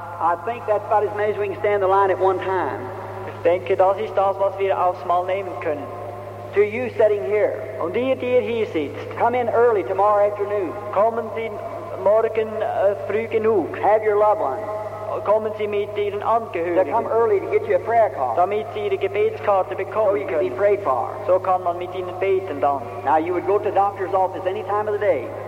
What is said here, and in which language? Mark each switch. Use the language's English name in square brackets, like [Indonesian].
[English] I think that's about as many as we can stand the line at one time. [German] Ich denke, das ist das, was wir aufs Mal nehmen können. [English] To you sitting here. [German] Und ihr, die ihr hier sitzt. [English] Come in early tomorrow afternoon. [German] Kommen Sie morgen früh genug. [English] Have your loved one. [German] Kommen Sie mit Ihren Angehörigen. [English] They come early to get you a prayer card. [German] Damit Sie Ihre Gebetskarte bekommen können. [English] So you can be prayed for. [German] So kann man mit Ihnen beten dann. [English] Now you would go to the doctor's office any time of the day.